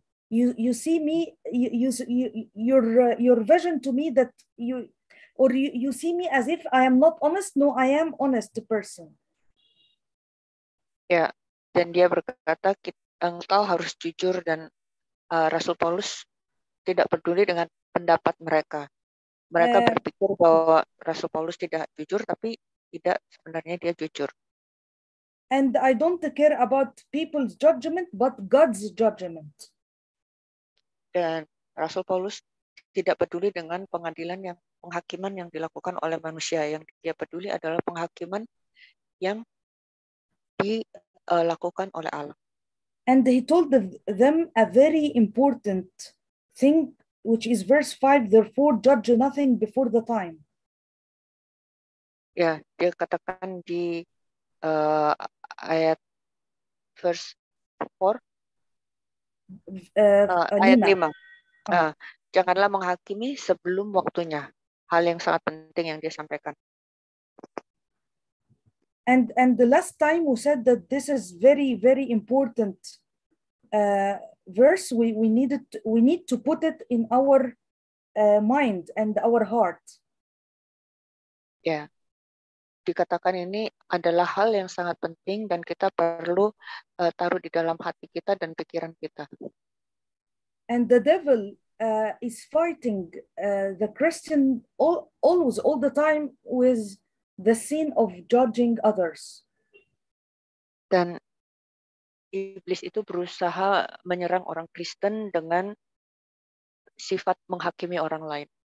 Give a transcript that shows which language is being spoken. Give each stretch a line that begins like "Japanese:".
English: You see me, your vision to me that you, or you see me as if I am not honest. No, I am honest person. Yeah.
Indonesian: Dan dia berkata, engkau harus jujur dan Rasul Paulus tidak peduli dengan pendapat mereka. Mereka berpikir bahwa Rasul Paulus tidak jujur, tapi tidak sebenarnya dia jujur.
English: And I don't care about people's judgment, but God's judgment.
Indonesian: Dan Rasul Paulus tidak peduli dengan pengadilan yang penghakiman yang dilakukan oleh manusia. Yang dia peduli adalah penghakiman yang di lakukan oleh Allah.
English: And he told them a very important thing, which is verse 5, therefore judge nothing before the time.
Indonesian: Ya, dia katakan di ayat verse 4, ayat 5. Janganlah menghakimi sebelum waktunya. Hal yang sangat penting yang dia sampaikan.
English: And the last time we said that this is very very important verse we need to put it in our mind and our heart.
Indonesian: Yeah, dikatakan ini adalah hal yang sangat penting dan kita perlu taruh di dalam hati kita dan pikiran kita.
English: And the devil is fighting the Christian always all the time with the sin of judging others.
Indonesian: Dan iblis itu berusaha menyerang orang Kristen dengan sifat menghakimi orang lain.